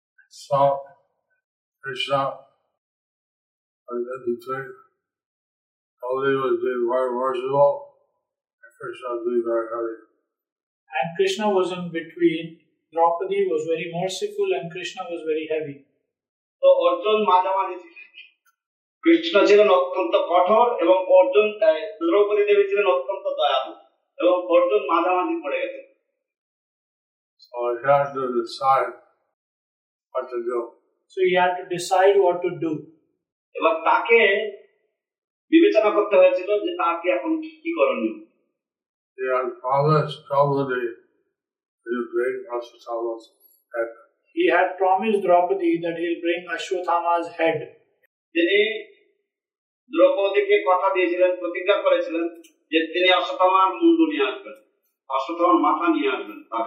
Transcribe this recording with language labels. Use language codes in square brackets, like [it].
[en] So, Krishna, Kali was being very merciful, and Krishna was being very heavy. And Krishna was in between. Draupadi was very merciful, and Krishna was very heavy. So, Arjuna Madhavani. [bn] Krishna ছিলেন অত্যন্ত কঠোর এবং অর্জুন দ্রৌপদী দেবী ছিলেন অত্যন্ত দয়ালু এবং অর্জুন মাঝামাঝি পড়ে গেছে [en] So he had to decide what to do. So he had to decide what to do. [bn] এবং তাকে বিবেচনা করতে হয়েছিল যে তাকে এখন কি করণীয়। [en] He had promised Draupadi that he'll bring Ashwatthama's head. He had promised Draupadi that he'll bring Ashwatthama's head. [bn] তিনি দ্রৌপদীকে কথা দিয়েছিলেন প্রতিজ্ঞা করেছিলেন যে তিনি অশ্বত্থামার মুন্ডু নিয়ে আসবেন অশ্বত্থামার মাথা নিয়ে আসবেন তার